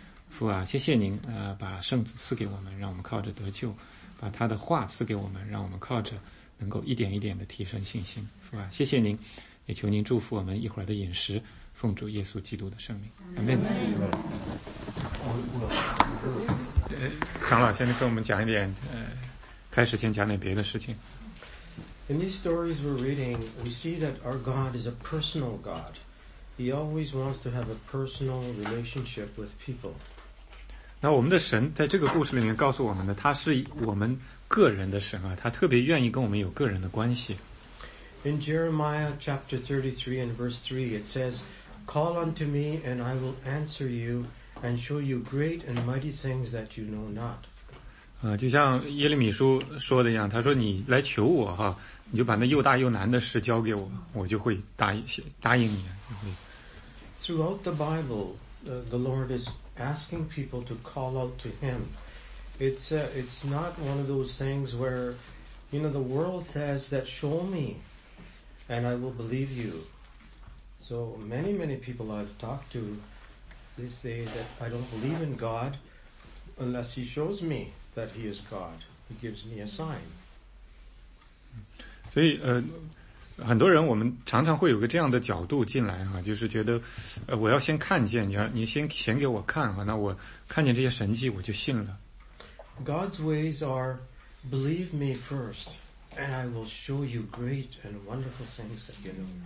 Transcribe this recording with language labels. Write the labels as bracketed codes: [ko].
[zh] 父啊，谢谢您把圣子赐给我们，让我们靠着得救，把他的话赐给我们，让我们靠着能够一点一点的提升信心。父啊，谢谢您，也求您祝福我们一会儿的饮食，奉主耶稣基督的圣名。阿门。长老，先跟我们讲一点开始先讲点别的事情。 [en] In these stories we're reading, we see that our God is a personal God. He always wants to have a personal relationship with people. [zh] 那我们的神在这个故事里面告诉我们的，他是我们个人的神啊，他特别愿意跟我们有个人的关系。 [en] In Jeremiah chapter 33 and verse 3, it says, "Call unto me, and I will answer you, and show you great and mighty things that you know not." [zh] 就像耶利米书说的一样，他说：“你来求我哈，你就把那又大又难的事交给我，我就会答应你。” [en] Throughout the Bible, the Lord is asking people to call out to him. It's not one of those things where, you know, the world says that show me and I will believe you. So many, many people I've talked to, they say that I don't believe in God unless he shows me that he is God. He gives me a sign. [zh] 所以很多人我们常常会有个这样的角度进来啊，就是觉得我要先看见你，你先显给我看啊，那我看见这些神迹我就信了。 [en] God's ways are, believe me first, and I will show you great and wonderful things that you know.